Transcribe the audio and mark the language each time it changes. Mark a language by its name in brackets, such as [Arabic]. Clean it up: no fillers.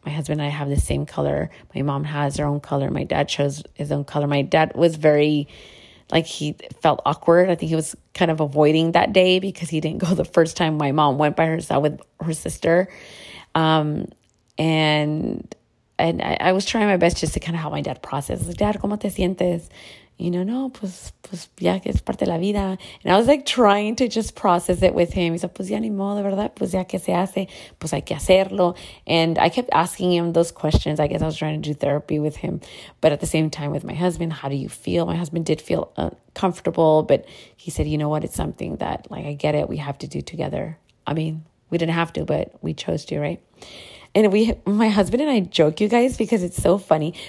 [English] My husband and I have the same color. My mom has her own color. My dad chose his own color. My dad was very, like, he felt awkward. I think he was kind of avoiding that day because he didn't go the first time. My mom went by herself with her sister. And I was trying my best just to kind of help my dad process. Like, Dad, [Spanish] ¿cómo te sientes? [English] You know, [Spanish] no, pues ya que es parte de la vida. [English] And I was like trying to just process it with him. He's like, [Spanish] pues ya ni modo, ¿verdad? Pues ya que se hace, pues hay que hacerlo. [English] And I kept asking him those questions. I guess I was trying to do therapy with him. But at the same time with my husband, how do you feel? My husband did feel uncomfortable, but he said, you know what? It's something that, like, I get it. We have to do together. I mean, we didn't have to, but we chose to, right? And my husband and I joke, you guys, because it's so funny.